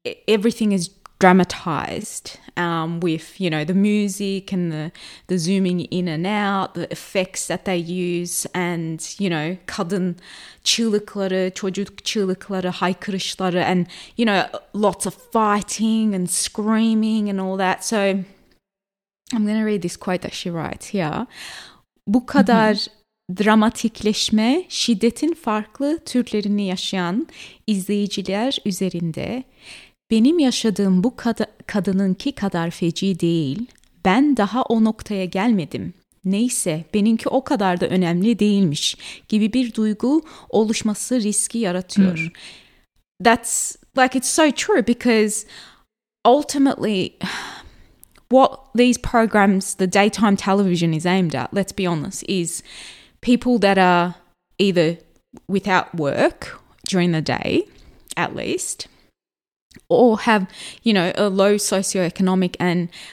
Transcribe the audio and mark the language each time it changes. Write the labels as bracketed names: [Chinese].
[English] Everything is dramatized with, you know, the music and the zooming in and out, the effects that they use, and, you know, [Turkish] kadın çığlıkları, çocuk çığlıkları, haykırışları, [English] and, you know, lots of fighting and screaming and all that. So I'm going to read this quote that she writes here. [Turkish] Bu kadar dramatikleşme şiddetin farklı türlerini yaşayan izleyiciler üzerinde benim yaşadığım bu kadınınki kadar feci değil. Ben daha o noktaya gelmedim. Neyse, benimki o kadar da önemli değilmiş gibi bir duygu oluşması riski yaratıyor. [English] That's like, it's so true, because ultimately what these programs, the daytime television, is aimed at, let's be honest, is people that are either without work during the day, at least, or have, you know, a low socioeconomic and